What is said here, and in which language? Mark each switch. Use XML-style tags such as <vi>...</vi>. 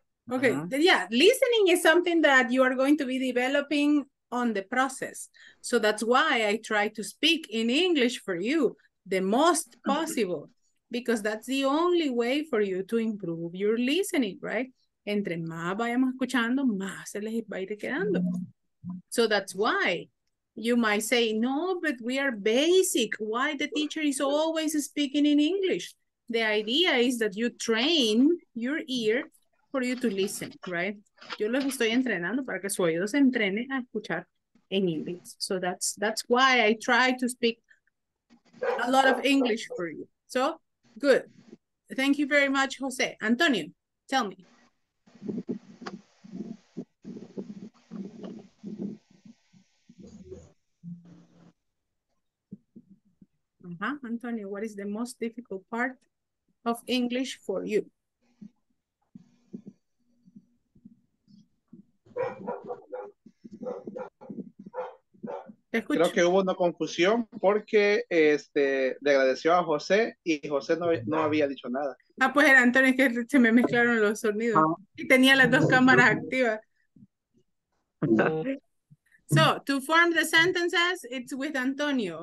<en>Okay, yeah, listening is something that you are going to be developing on the process. So that's why I try to speak in English for you the most possible, because that's the only way for you to improve your listening, right?</en> <es>Entre más vayamos escuchando, más se les va a ir quedando.</es> <en>So that's why you might say, no, but we are basic. Why the teacher is always speaking in English? The idea is that you train your ear for you to listen, right?</en> <es>Yo los estoy entrenando para que su oído se entrene a escuchar en inglés.</es> <en>So that's why I try to speak a lot of English for you. So, good. Thank you very much, Jose. Antonio, tell me. Antonio, what is the most difficult part of English for you?</en> <es>Creo que hubo una confusión porque le agradeció a José y José no había dicho nada. Ah, pues era Antonio, que se me mezclaron los sonidos. Y tenía las dos cámaras activas.</es> <en>So, to form the sentences, it's with Antonio.</en>